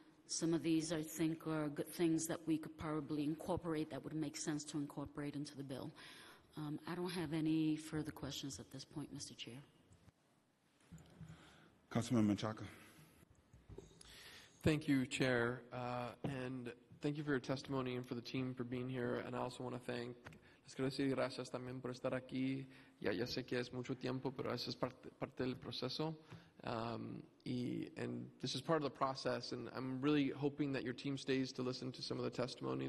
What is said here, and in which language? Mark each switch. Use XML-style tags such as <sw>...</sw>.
<en>Some of these, I think, are good things that we could probably incorporate that would make sense to incorporate into the bill. I don't have any further questions at this point, Mr. Chair. Councilman Menchaca. Thank you, Chair, and thank you for your testimony and for the team for being here. And I also want to thank,</en> <es>les quiero decir gracias también por estar aquí. Ya sé que es mucho tiempo, pero eso es parte del proceso.</es> <en>And this is part of the process, and I'm really hoping that your team stays to listen to some of the testimony.</en>